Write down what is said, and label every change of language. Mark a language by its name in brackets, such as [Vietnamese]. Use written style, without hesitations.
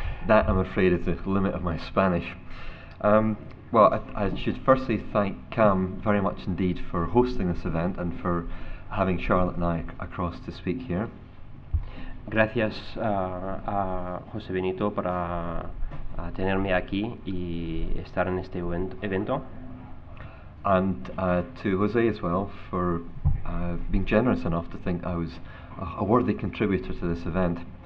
[English] That, I'm afraid, is the limit of my Spanish. Well, I should firstly thank Cam very much indeed for hosting this event and for having Charlotte and I across to speak here. [Spanish] Gracias a José Benito para tenerme aquí y estar en este evento. [English] And to José as well for being generous enough to think I was a worthy contributor to this event.